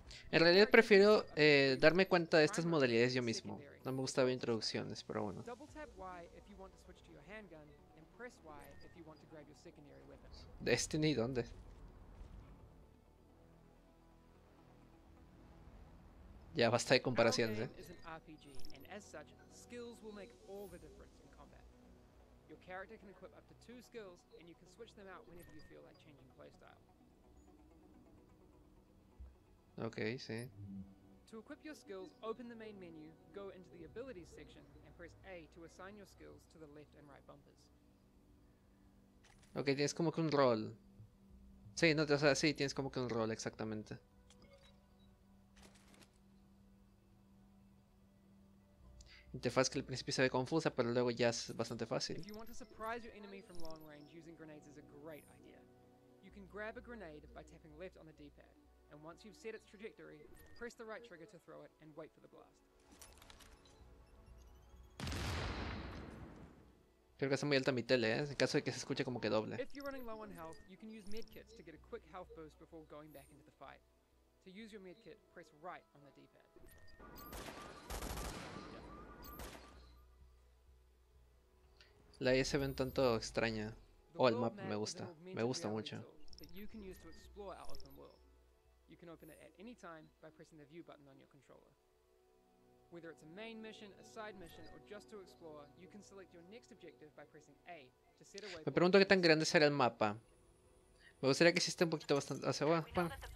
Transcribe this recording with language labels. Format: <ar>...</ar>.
<es>En realidad prefiero darme cuenta de estas modalidades yo mismo. No me gustaba introducciones, pero bueno.</es> <en>Double tap Y if you want to switch to your handgun, and press Y if you want to grab your secondary weapon. Destiny,</en> <es>¿dónde? Ya basta de comparaciones, ¿eh?</es> <en>Is an RPG, and as such, skills will make all the difference in combat. Your character can equip up to 2 skills, and you can switch them out whenever you feel like changing playstyle. Okay, sí. To equip your skills, open the main menu, go into the abilities section, and press A to assign your skills to the left and right bumpers.</en> <es>Okay, tienes como que un rol. Sí, no, o sea, sí, tienes como que un rol, exactamente. Interfaz que al principio se ve confusa, pero luego ya es bastante fácil.</es> <en>If you want to surprise your enemy from long range, using grenades is a great idea. You can grab a grenade by tapping left on the D-pad, and once you've set its trajectory, press the right trigger to throw it and wait for the blast.</en> <es>Creo que está muy alta mi tele, en caso de que se escuche como que doble.</es> <en>If you're running low on health, you can use medkits to get a quick health boost before going back into the fight. To use your medkit, press right on the D-pad.</en> <es>La IA se ve un tanto extraña. Oh, el mapa me gusta mucho.</es> <en>That you can use to explore our open world. You can open it at any time by pressing the view button on your controller. Whether it's a main mission, a side mission, or just to explore, you can select your next objective by pressing A to set a waypoint.</en> <es>Me pregunto qué tan grande será el mapa. Me gustaría que existe un poquito bastante hacia abajo. Bueno.</es>